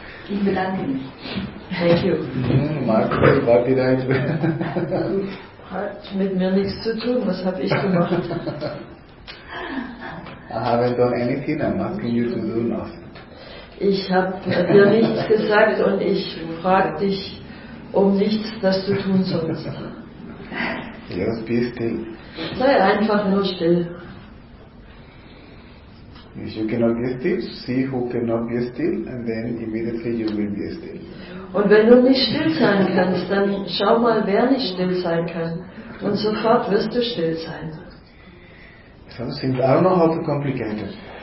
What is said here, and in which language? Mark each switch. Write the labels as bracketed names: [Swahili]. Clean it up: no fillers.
[German] Ich bedanke mich. [English] Thank you. [German] Marco, war die Reise. Hat mit mir nichts zu tun, was habe ich gemacht? [English] I haven't done anything, I'm asking you to do nothing. [German] Ich habe dir nichts gesagt und ich frage dich um nichts, das du tun sollst. [English] Just be still. [German] Sei einfach nur still. [English] If you cannot be still, see who cannot be still and then immediately you will be still. [German] Und wenn du nicht still sein kannst, dann schau mal, wer nicht still sein kann und sofort wirst du still sein. [English] Sounds like I don't know how to complicate it.